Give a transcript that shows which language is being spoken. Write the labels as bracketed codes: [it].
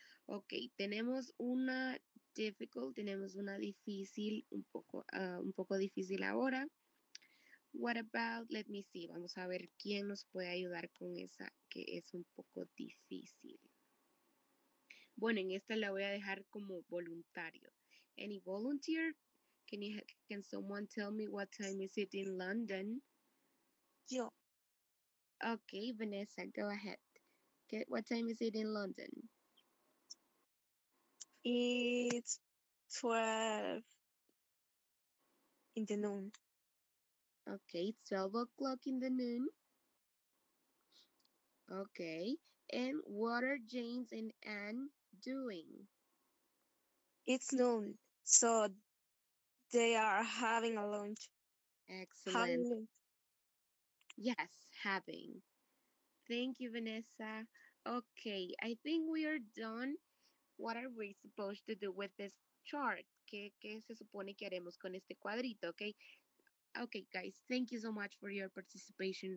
[es] Okay, tenemos una difficult, tenemos una difícil, un poco difícil ahora. [en] What about, let me see, [es] vamos a ver quién nos puede ayudar con esa que es un poco difícil. Bueno, en esta la voy a dejar como voluntario. [en] Any volunteer? Can someone tell me what time is it in London? [es] Yo. [en] Okay, Vanessa, go ahead. Okay, what time is it in London? It's 12 in the noon. Okay, it's 12 o'clock in the noon. Okay, and what are James and Anne doing? It's noon, so they are having a lunch. Excellent. Having lunch. Yes, having. Thank you, Vanessa. Okay, I think we are done. What are we supposed to do with this chart? [es] ¿Qué se supone que haremos con este cuadrito? [en] Okay. Okay, guys, thank you so much for your participation.